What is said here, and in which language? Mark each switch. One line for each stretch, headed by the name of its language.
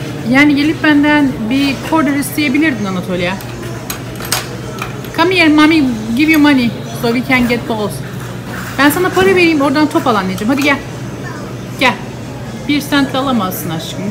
Turkish: Yani gelip benden bir quarter isteyebilirdin Anatolia.
English: Come here, mommy, give you money so we can get balls.
Turkish: Ben sana para vereyim, oradan top al anneciğim. Hadi gel. Gel. Bir sent alamazsın aşkım.